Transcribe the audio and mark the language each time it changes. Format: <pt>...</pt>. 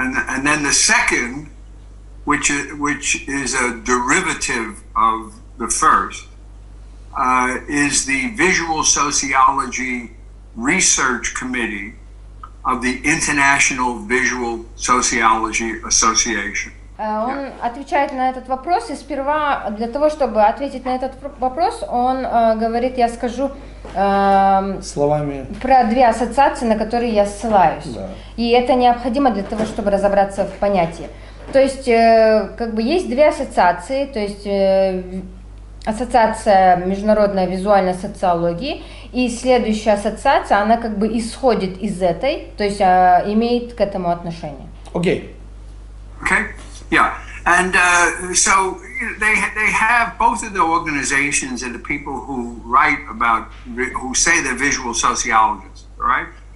<en>And then the second, which is a derivative of the first, is the Visual Sociology Research Committee of the International Visual Sociology Association.</en> <ru>Он отвечает на этот вопрос, и сперва, для того, чтобы ответить на этот вопрос, он говорит, я скажу словами про две ассоциации, на которые я ссылаюсь. Да. И это необходимо для того, чтобы разобраться в понятии. То есть, как бы есть две ассоциации, то есть ассоциация международной визуальной социологии, и следующая ассоциация, она как бы исходит из этой, то есть имеет к этому отношение. Окей. Окей.</ru> <en>Yeah, and so they have both of the organizations and the people who write about, who say they're visual sociologists, right?</en>